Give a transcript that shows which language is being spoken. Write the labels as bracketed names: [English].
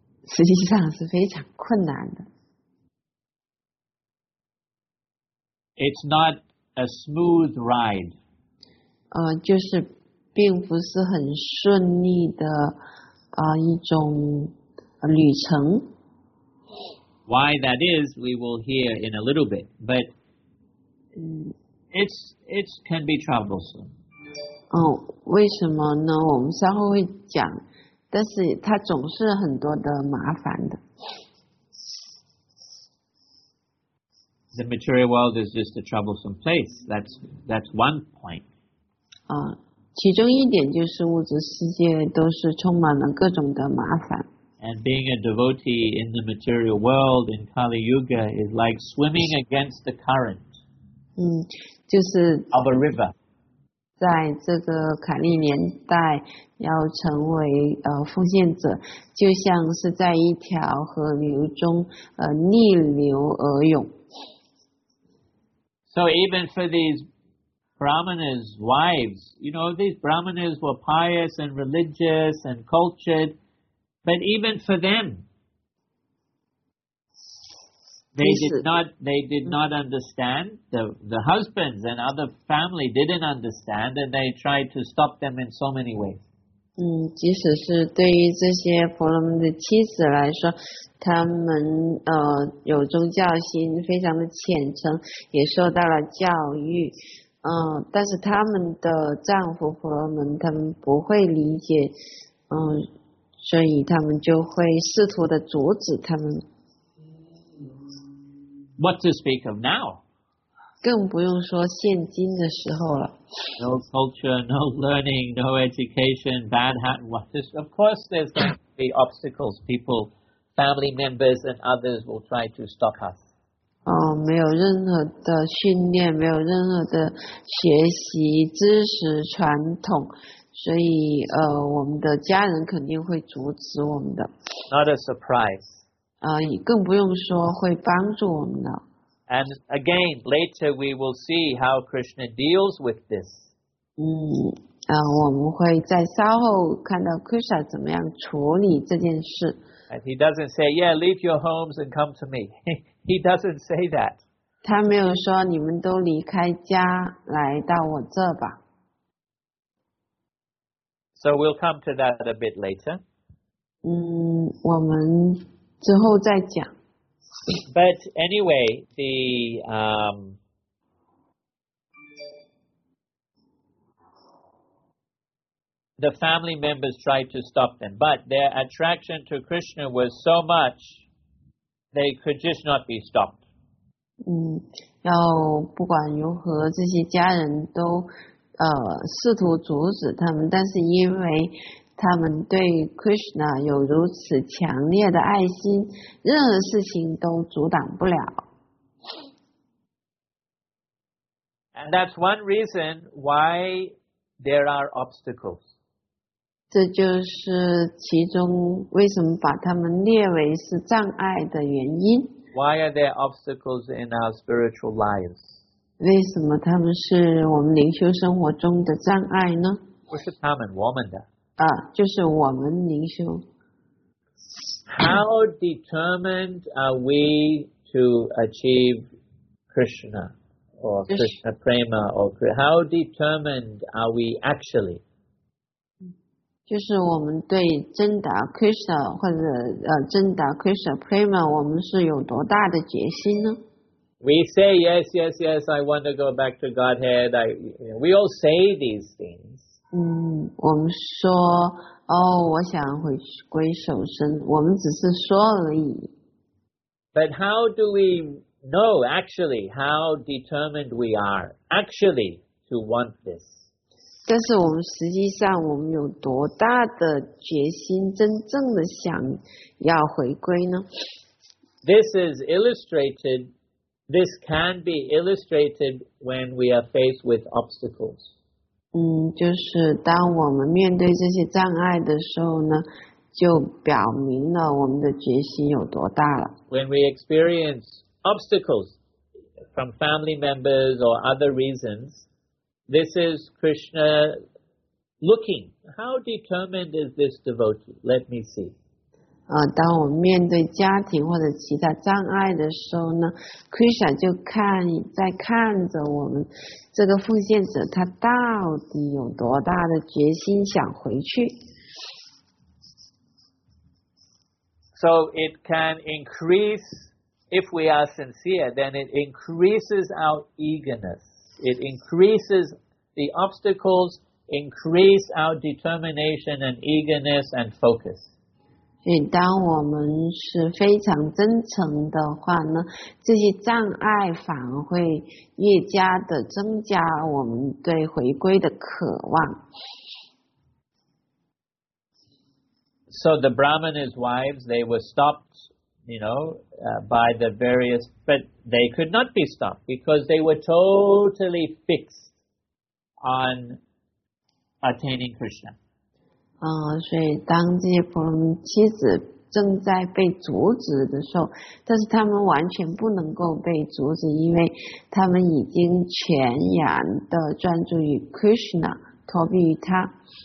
[Chinese] 实际上是非常困难的。 [English] It's not a smooth ride. [Chinese] 就是并不是很顺利的一种旅程。 [English] Why that is, we will hear in a little bit. But it can be troublesome. [Chinese] 为什么呢？我们稍后会讲，但是它总是很多的麻烦的。 [English] The material world is just a troublesome place. That's one point. [Chinese] 其中一点就是物质世界都是充满了各种的麻烦。 [English] And being a devotee in the material world in Kali Yuga is like swimming against the current. [Chinese] 就是 [English] of a river. [Chinese] 在这个卡利年代要成为奉献者就像是在一条河流中逆流而泳。 [English] So even for these brahmanas' wives, you know, these brahmanas were pious and religious and cultured, but even for them, They did not understand, the husbands and other family didn't understand, and they tried to stop them in so many ways. [Chinese] 即使是对于这些婆罗门的妻子来说，他们有宗教心，非常的虔诚，也受到了教育，但是他们的丈夫婆罗门他们不会理解，所以他们就会试图的阻止他们。 [English] What to speak of now? [Chinese] 更不用说现今的时候了。 [English] No culture, no learning, no education, bad hat. Of course, there's going to be obstacles. People, family members and others will try to stop us. [Chinese] 没有任何的训练，没有任何的学习知识传统，所以我们的家人肯定会阻止我们的。 [English] Not a surprise. [Chinese] 更不用说会帮助我们了。 [English] And again, later we will see how Krishna deals with this. [Chinese] 我们会在稍后看到 Krishna 怎么样处理这件事。 [English] And he doesn't say, yeah, leave your homes and come to me. He doesn't say that. [Chinese] 他没有说你们都离开家来到我这吧。 [English] So we'll come to that a bit later. [Chinese] 嗯，我们之后再讲。 [English] But anyway, the family members tried to stop them, but their attraction to Krishna was so much, they could just not be stopped. [Chinese] 嗯，然后不管如何，这些家人都试图阻止他们，但是因为他们对 Krishna 有如此强烈的爱心，任何事情都阻挡不了。 [English] And that's one reason why there are obstacles. [Chinese] 这就是其中为什么把他们列为是障碍的原因。 [English] Why are there obstacles in our spiritual lives? [Chinese] 为什么他们是我们灵修生活中的障碍呢？不是他们，我们的。啊，就是我们灵修。 [English] How determined are we to achieve Krishna or Krishna prema or how determined are we actually? [Chinese] 就是我们对真达 Krishna 或者真达 Krishna prema， 我们是有多大的决心呢？ [English] We say yes, yes, yes. I want to go back to Godhead. We all say these things. [Chinese] 嗯，我们说哦，我想回去归守身，我们只是说而已。 [English] But how do we know actually how determined we are actually to want this? [Chinese] 但是我们实际上我们有多大的决心，真正的想要回归呢？ [English] This is illustrated. This can be illustrated when we are faced with obstacles. [Chinese] 嗯，就是当我们面对这些障碍的时候呢，就表明了我们的决心有多大了。 [English] When we experience obstacles from family members or other reasons, this is Krishna looking. How determined is this devotee? Let me see. [Chinese] 当我们面对家庭或者其他障碍的时候呢， Krishna 就在看着我们这个奉献者，他到底有多大的决心想回去。 [English] So it can increase, if we are sincere, then it increases our eagerness. It increases the obstacles, increase our determination and eagerness and focus. [Chinese] 所以当我们是非常真诚的话呢，这些障碍反而会越加的增加我们对回归的渴望。 [English] So the Brahmana's wives, they were stopped, you know, by the various, but they could not be stopped because they were totally fixed on attaining Krishna. [Chinese] 所以当这些婆罗门妻子正在被阻止的时候，但是他们完全不能够被阻止，因为他们已经全然的专注于 Krishna， 投币于他。